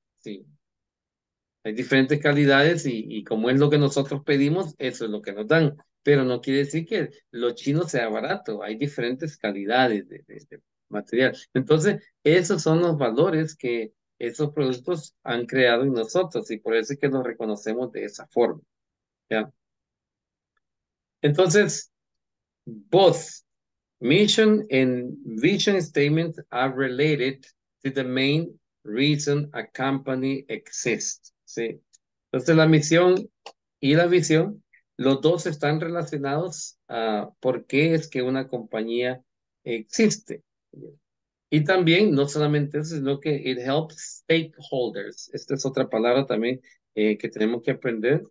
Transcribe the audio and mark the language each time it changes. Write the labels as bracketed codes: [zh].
[es] Sí, hay diferentes calidades y como es lo que nosotros pedimos, eso es lo que nos dan. Pero no quiere decir que lo chino sea barato, hay diferentes calidades de material. Entonces, esos son los valores que esos productos han creado en nosotros y por eso es que nos reconocemos de esa forma. ¿Ya? [en] Entonces, both mission and vision statement are related to the main reason a company exists. [es] Sí. Entonces, la misión y la visión, los dos están relacionados a por qué es que una compañía existe. Y también, no solamente eso, sino que [en] it helps stakeholders. [es] Esta es otra palabra también que tenemos que aprender.